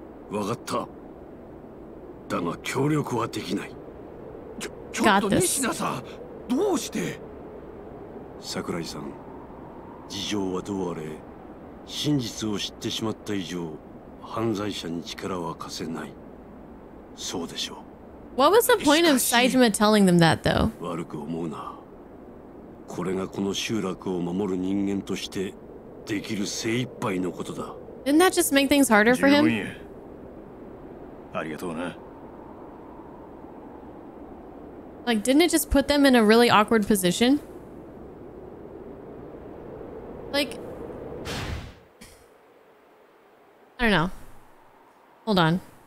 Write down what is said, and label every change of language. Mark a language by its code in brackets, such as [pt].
[ja] わかった。だが協力はできない。ちょっと西田さん、どうして。桜井さん、事情はどうあれ、真実を知ってしまった以上犯罪者に力は貸せない。そうでしょう。 [en] What was the point of Saijima telling them that though? [ja] 悪く思うな。これがこの集落を守る人間としてできる精一杯のことだ。 [en] Didn't that just make things harder for him? [ja] ありがとうな。 [en] Like, didn't it just put them in a really awkward position? Like, I don't know. Hold on.